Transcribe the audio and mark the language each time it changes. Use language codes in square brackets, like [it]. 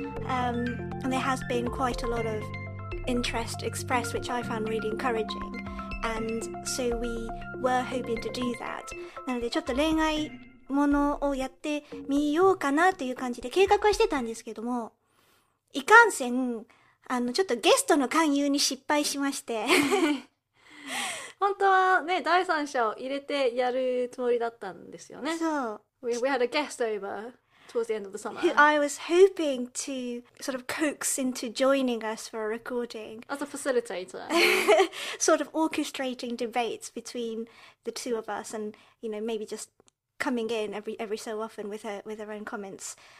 [en] And there has been quite a lot of interest expressed, which I found really encouraging. And so we were hoping to do that. [ja] なのでちょっと恋愛ものをやってみようかなという感じで計画はしてたんですけども、いかんせん、ちょっとゲストの勧誘に失敗しまして。本当はね、第三者を入れてやるつもりだったんですよね。そう。 [en] We had a guest over towards the end of the summer. Who I was hoping to sort of coax into joining us for a recording. As a facilitator. sort of orchestrating debates between the two of us and, you know, maybe just coming in every so often with her own comments.